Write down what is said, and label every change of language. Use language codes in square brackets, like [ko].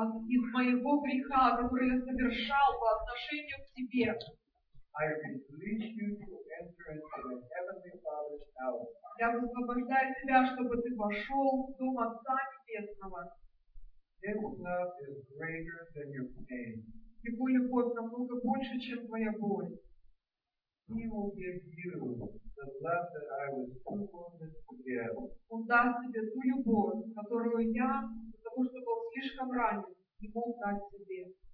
[ru] Из моего греха, который я совершал по отношению к тебе. [en] I release you to enter into the Heavenly Father's house. [ru] Я высвобождаю тебя, чтобы ты вошел в дом Отца Небесного. [en] His love is greater than your pain. [ru] Его любовь намного больше, чем твоя боль. [en] He will give you the love that I was too wounded to give. [ru] Он даст тебе ту любовь, которую я, потому что был слишком ранен, не мог дать тебе.